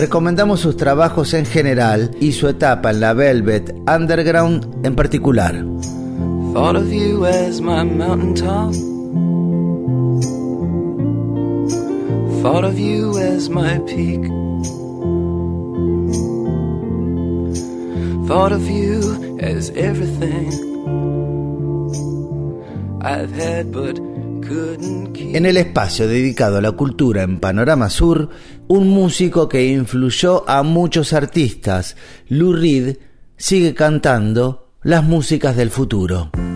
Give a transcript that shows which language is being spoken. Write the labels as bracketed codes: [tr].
[es] Recomendamos sus trabajos en general y su etapa en la Velvet Underground en particular. [en] Thought of you as my mountain top. Thought of you as my peak. Thought of you as everything I've had but couldn't keep. [es] En el espacio dedicado a la cultura en Panorama Sur, un músico que influyó a muchos artistas, Lou Reed, sigue cantando las músicas del futuro.